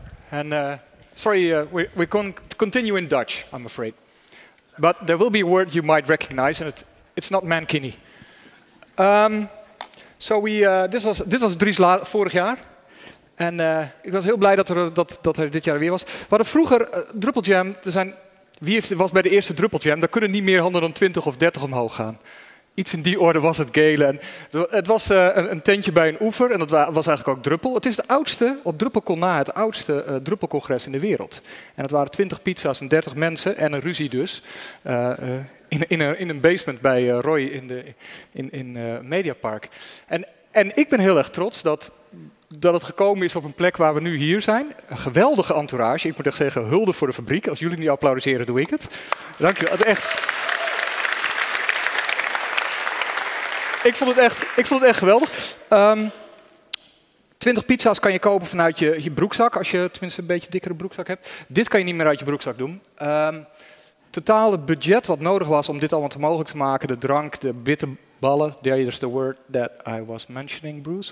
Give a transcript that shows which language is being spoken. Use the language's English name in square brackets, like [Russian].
[English] And sorry, we can't continue in Dutch, I'm afraid. But there will be a word you might recognize, and it's not Mankini. So this was Dries [Dutch] vorig jaar. En ik was heel blij dat hij dit jaar weer was. We hadden vroeger Drupal Jam. Wie was bij de eerste Drupal Jam? Daar kunnen niet meer handen dan 20 of 30 omhoog gaan. Iets in die orde was het gele. Het was een tentje bij een oever en dat was eigenlijk ook Drupal. Het is de oudste, op Drupalcon na, het oudste Drupalcongres in de wereld. En het waren 20 pizza's en 30 mensen en een ruzie dus. In een basement bij Roy in Mediapark. En ik ben heel erg trots dat het gekomen is op een plek waar we nu hier zijn. Een geweldige entourage. Ik moet echt zeggen, hulde voor de fabriek. Als jullie niet applaudisseren, doe ik het. Dank je wel. Echt. Ik vond het echt geweldig. 20 pizza's kan je kopen vanuit je broekzak. Als je tenminste een beetje dikkere broekzak hebt. Dit kan je niet meer uit je broekzak doen. Totale budget wat nodig was om dit allemaal te mogelijk te maken. De drank, de bitterballen. [English] There is the word that I was mentioning, Bruce.